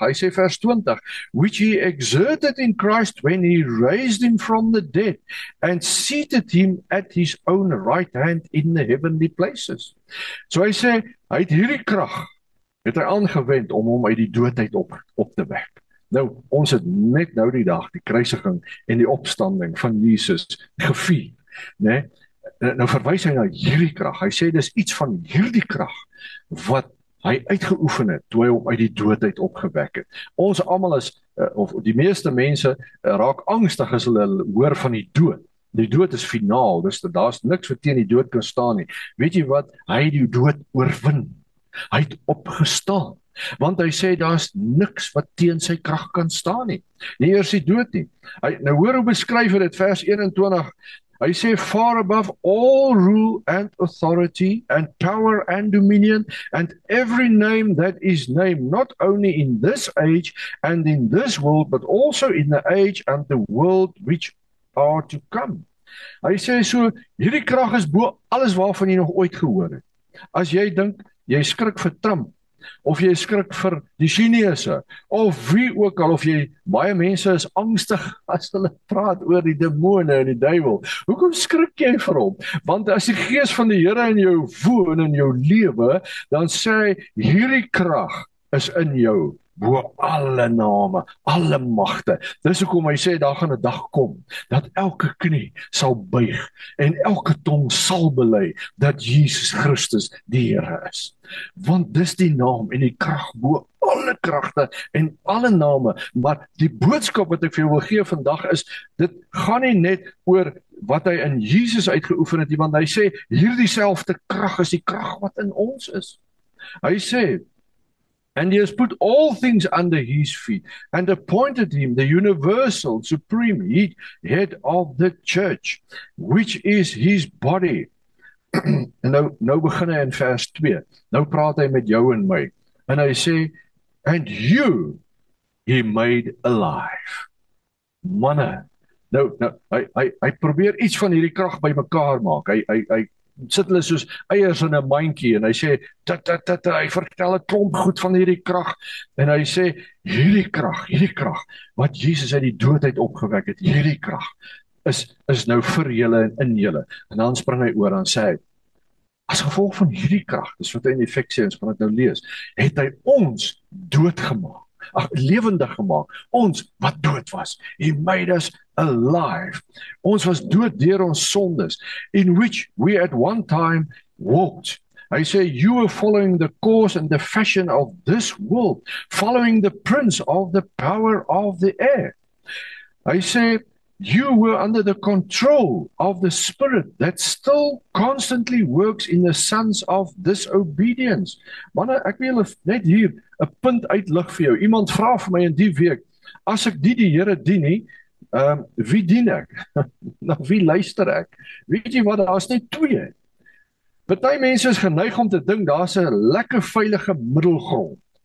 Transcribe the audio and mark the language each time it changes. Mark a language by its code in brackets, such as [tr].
[af] Hy sê vers 20: [en] "Which he exerted in Christ when he raised him from the dead and seated him at his own right hand in the heavenly places." [af] So hy sê hy het hierdie krag het hy aangewend om hom uit die doodheid op te wek. Nou, ons het net nou die dag, die kruisiging en die opstanding van Jesus gevier, né? Nou verwys hy na hierdie krag. Hy sê dis iets van hierdie krag wat hy uitgeoefen het toe hy hom uit die doodheid opgewek het. Ons almal is of die meeste mense raak angstig as hulle hoor van die dood. Die dood is finaal, dis daar's niks wat teen die dood kan staan nie. Weet jy wat? Hy het die dood oorwin. Hy het opgestaan. Want hy sê daar's niks wat teen sy krag kan staan nie. Nie eers die dood nie. Hy nou hoor hoe beskryf hy dit vers 21. Hy sê [en] far above all rule and authority and power and dominion and every name that is named, not only in this age and in this world but also in the age and the world which are to come. [af] Hy sê so hierdie krag is bo alles waarvan jy nog ooit gehoor het. As jy dink jy skrik vir Trump of jy skrik vir die Chinese of wie ook al, of jy, baie mense is angstig as hulle praat oor die demone en die duiwel. Hoekom skrik jy vir hom? Want as die gees van die Here in jou woon in jou lewe, dan sê hy hierdie krag is in jou bo alle name, alle magte. Dis hoekom hy sê daar gaan 'n dag kom dat elke knie sal buig en elke tong sal bely dat Jesus Christus die Here is. Want dis die naam en die krag bo alle kragte en alle name. Maar die boodskap wat ek vir jou wil gee vandag is, dit gaan nie net oor wat hy in Jesus uitgeoefen het, want hy sê hierdie selfde krag is die krag wat in ons is. Hy sê [en] and he has put all things under his feet and appointed him the universal supreme head of the church, which is his body. [af] En nou begin hy in vers 2. Nou praat hy met jou en my. En hy sê, [en] and you he made alive. [af] Manne. Nou, hy probeer iets van hierdie krag by mekaar maak. Hy sit hulle soos eiers in 'n mandjie en hy sê tat, hy vertel 'n klomp goed van hierdie krag en hy sê hierdie krag wat Jesus uit die doodheid opgewek het, hierdie krag is nou vir julle en in julle. En dan spring hy oor en sê hy, as gevolg van hierdie krag, dis wat hy in Efesiërs gaan dit nou lees, het hy ons doodgemaak, ag lewendig gemaak, ons wat dood was, [en] he made us alive. [af] Ons was dood deur ons sondes, [en] in which we at one time walked. I say you were following the course and the fashion of this world, following the prince of the power of the air. I say You were under the control of the spirit that still constantly works in the sons of disobedience. [af] Manne, ek wil net hier 'n punt uitlig vir jou. Iemand vra vir my in die week, as ek die Here dien nie, wie dien ek? Na wie luister ek? Weet jy wat, daar's net twee. Party mense is geneig om te dink daar's 'n lekker veilige middelgrond.